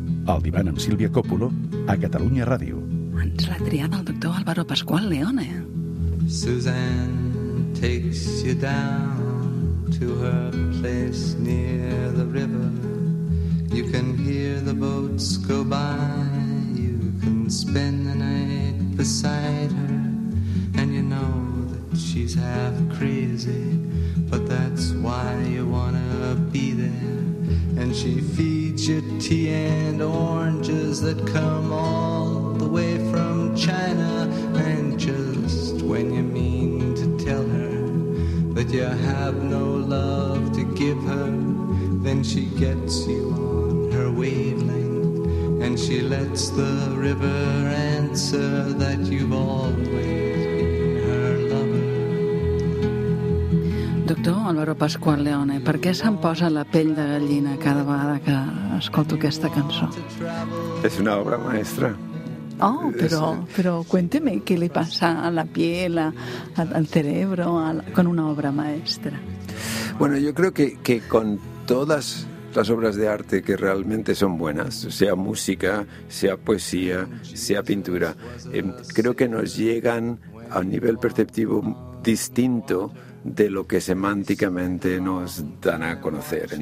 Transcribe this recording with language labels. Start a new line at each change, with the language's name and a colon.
Catalan: El divan amb Sílvia Coppolo, a Catalunya Ràdio. Ens l'ha triat el doctor Álvaro Pascual Leone.
English: Suzanne takes you down to her place near the river. You can hear the boats go by. You can spend the night beside her. And you know that she's half crazy. But that's why you wanna be there. And she feeds you tea and oranges that come all the way from China. And just when you mean to tell her that you have no love to give her, then she gets you on her wavelength. And she lets the river answer that you've always been her lover.
Catalan: Doctor Álvaro Pascual Leone, per què se'm posa la pell de gallina cada vegada que escolto aquesta cançó?
Spanish: És una obra maestra. Oh,
Catalan: però
Spanish: cuénteme
Catalan: què li passa a la
Spanish: piel, al cerebro, con una obra maestra. Bueno, yo creo que con todas las obras de arte que realmente son buenas, sea música, sea poesía, sea pintura, creo que nos llegan a un nivel perceptivo distinto de lo que semánticamente nos dan a conocer.